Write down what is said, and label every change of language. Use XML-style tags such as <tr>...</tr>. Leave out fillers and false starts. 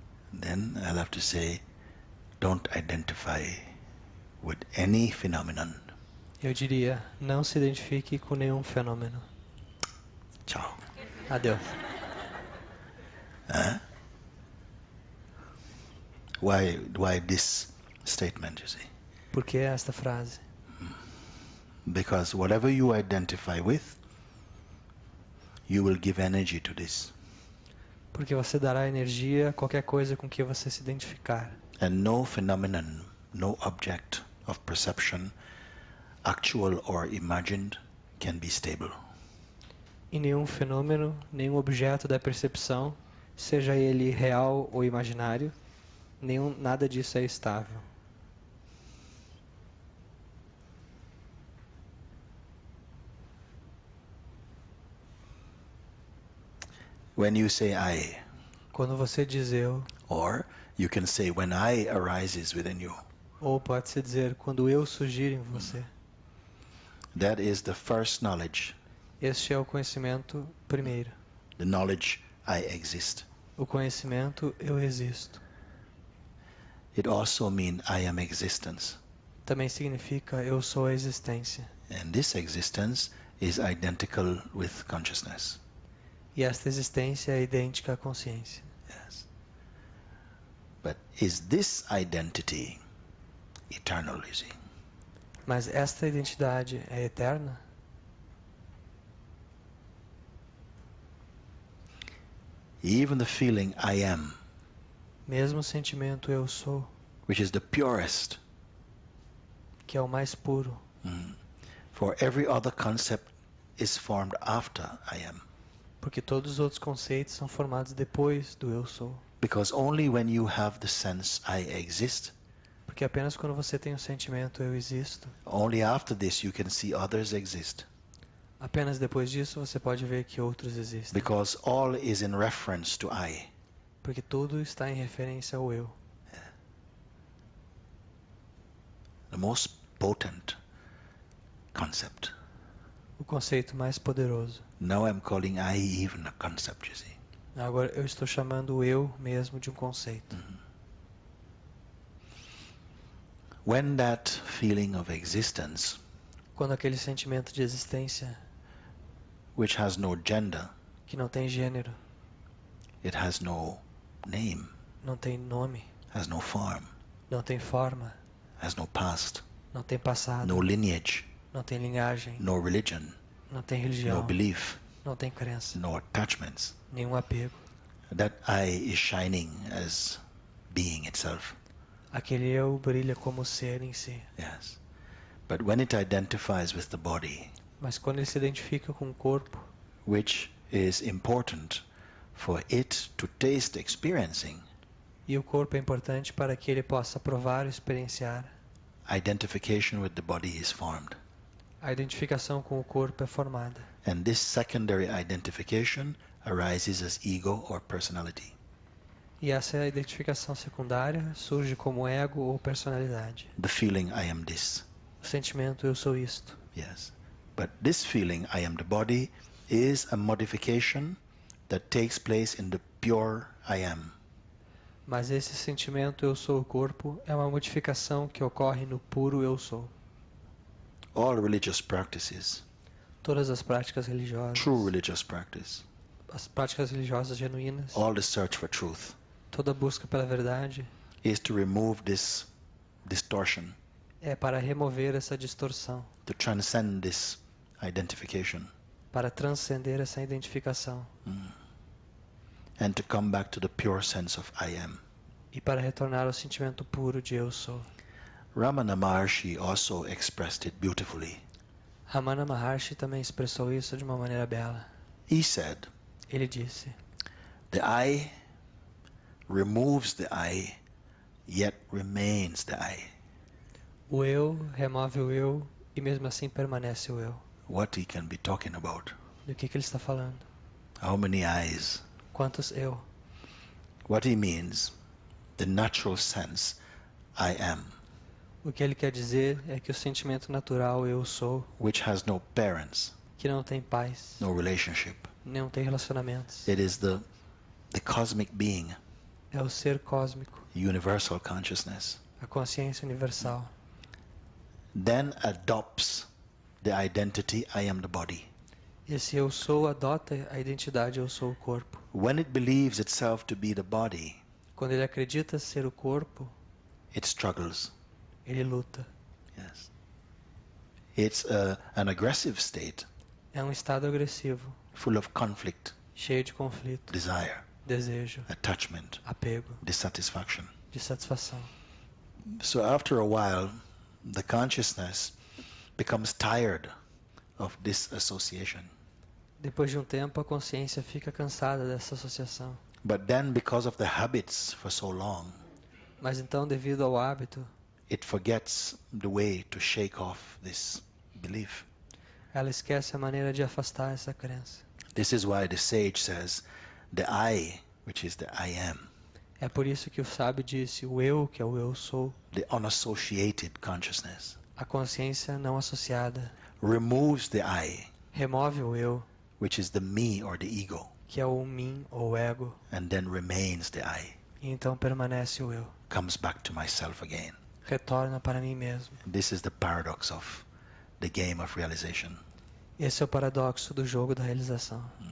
<en>Then I'll have to say, don't identify with any phenomenon.</en> <pt>Eu diria, não se identifique com nenhum fenômeno. Tchau. Adeus.</pt> <en>Why this statement, you see?</en> <pt>Por que esta frase?</pt> <en>Because whatever you identify with, you will give energy to this.</en> <pt>Porque você dará energia a qualquer coisa com que você se identificar.</pt> <en>And no phenomenon, no object of perception, actual or imagined, can be stable.</en> <pt>E nenhum fenômeno, nenhum objeto da percepção, seja ele real ou imaginário, nada disso é estável.</pt> <en>When you say I,</en> <pt>quando você diz eu,</pt> <en>or you can say when I arises within you,</en> <pt>ou pode-se dizer quando eu surgir em você.</pt> <en>That is the first knowledge.</en> <pt>Este é o conhecimento primeiro.</pt> <en>The knowledge I exist.</en> <pt>O conhecimento eu existo.</pt> <en>It also means I am existence.</en> <pt>Também significa eu sou a existência.</pt> <en>And this existence is identical with consciousness.</en> <pt>E esta existência é idêntica à consciência.</pt> <en>Yes. But is this identity eternal, you see?</en> <pt>Mas esta identidade é eterna?</pt> <en>Even the feeling I am,</en> <pt>mesmo o sentimento eu sou,</pt> <en>which is the purest,</en> <pt>que é o mais puro,</pt> <en>for every other concept is formed after I am,</en> <pt>porque todos os outros conceitos são formados depois do eu sou.</pt> <en>Because only when you have the sense I exist,</en> <pt>porque apenas quando você tem o sentimento eu existo,</pt> <en>only after this you can see others exist.</en> <pt>Apenas depois disso você pode ver que outros existem.</pt> <en>Because all is in reference to I.</en> <pt>Porque tudo está em referência ao eu.</pt> <en>The most potent concept.</en> <pt>O conceito mais poderoso.</pt> <en>Now I'm calling I even a concept, you see.</en> <pt>Agora eu estou chamando o eu mesmo de um conceito.</pt> <en>When that feeling of existence,</en> <pt>quando aquele sentimento de existência,</pt> <en>which has no gender,</en> <pt>que não tem gênero,</pt> <en>it has no name,</en> <pt>não tem nome,</pt> <en>has no form,</en> <pt>não tem forma,</pt> <en>has no past,</en> <pt>não tem passado,</pt> <en>no lineage,</en> <pt>não tem linhagem,</pt> <en>no religion,</en> <pt>não tem religião,</pt> <en>no belief,</en> <pt>não tem crença,</pt> <en>no attachments,</en> <pt>nenhum apego,</pt> <en>that I is shining as being itself,</en> <pt>aquele eu brilha como ser em si.</pt> <en>Yes, but when it identifies with the body,</en> <pt>mas quando ele se identifica com o corpo,</pt> <en>which is important for it to taste experiencing,</en> <pt>e o corpo é importante para que ele possa provar e experienciar,</pt> <en>identification with the body is formed.</en> <pt>A identificação com o corpo é formada.</pt> <en>And this secondary identification arises as ego or personality.</en> <pt>E essa identificação secundária surge como ego ou personalidade.</pt> <en>The feeling I am this.</en> <pt>O sentimento eu sou isto.</pt> <en>Yes. But this feeling, I am the body, is a modification that takes place in the pure I am.</en> <pt>Mas esse sentimento, eu sou o corpo, é uma modificação que ocorre no puro eu sou.</pt> <en>All religious practices,</en> <pt>todas as práticas religiosas,</pt> <en>true religious practice,</en> <pt>as práticas religiosas genuínas,</pt> <en>all the search for truth,</en> <pt>toda a busca pela verdade,</pt> <en>is to remove this distortion.</en> <pt>É para remover essa distorção.</pt> <en>To transcend this identification.</en> <pt>Para transcender essa identificação.</pt> <en>And to come back to the pure sense of I am.</en> <pt>E para retornar ao sentimento puro de eu sou.</pt> <en>Ramana Maharshi also expressed it beautifully.</en> <pt>Ramana Maharshi também expressou isso de uma maneira bela.</pt> <en>He said,</en> <pt>ele disse,</pt> <en>the I removes the I, yet remains the I.</en> <pt>O eu remove o eu e mesmo assim permanece o eu.</pt> <en>What he can be talking about?</en> <pt>Do que ele está falando?</pt> <en>How many eyes?</en> <pt>Quantos eu?</pt> <en>What he means, the natural sense, I am.</en> <pt>O que ele quer dizer é que o sentimento natural eu sou,</pt> <en>which has no parents,</en> <pt>que não tem pais,</pt> <en>no relationship,</en> <pt>não tem relacionamentos.</pt> <en>It is the cosmic being.</en> <pt>É o ser cósmico.</pt> <en>Universal consciousness.</en> <pt>A consciência universal.</pt> <en>Then adopts the identity I am the body.</en> <pt>Esse eu sou adota a identidade eu sou o corpo.</pt> <en>When it believes itself to be the body,</en> <pt>quando ele acredita ser o corpo,</pt> <en>it struggles.</en> <pt>Ele luta.</pt> <en>Yes. It's an aggressive state.</en> <pt>É um estado agressivo.</pt> <en>Full of conflict.</en> <pt>Cheio de conflito.</pt> <en>Desire.</en> <pt>Desejo.</pt> <en>Attachment.</en> <pt>Apego.</pt> <en>Dissatisfaction.</en> <pt>Dissatisfação.</pt> <en>So after a while, the consciousness becomes tired of this association.</en> <pt>Depois de tempo, a consciência fica cansada dessa associação.</pt> <en>But then, because of the habits for so long,</en> <pt>mas então, devido ao hábito,</pt> <en>it forgets the way to shake off this belief.</en> <pt>Ela esquece a maneira de afastar essa crença.</pt> <en>This is why the sage says, the I, which is the I am.</en> <pt>É por isso que o sábio disse o eu, que é o eu sou.</pt> <en>The unassociated consciousness.</en> <pt>A consciência não associada.</pt> <en>Removes the I.</en> <pt>Remove o eu.</pt> <en>Which is the me or the ego.</en> <pt>Que é o mim ou o ego.</pt> <en>And then remains the I.</en> <pt>E então permanece o eu.</pt> <en>Comes back to myself again.</en> <pt>Retorna para mim mesmo.</pt> <en>This is the paradox of the game of realization.</en> <pt>Esse é o paradoxo do jogo da realização.</pt>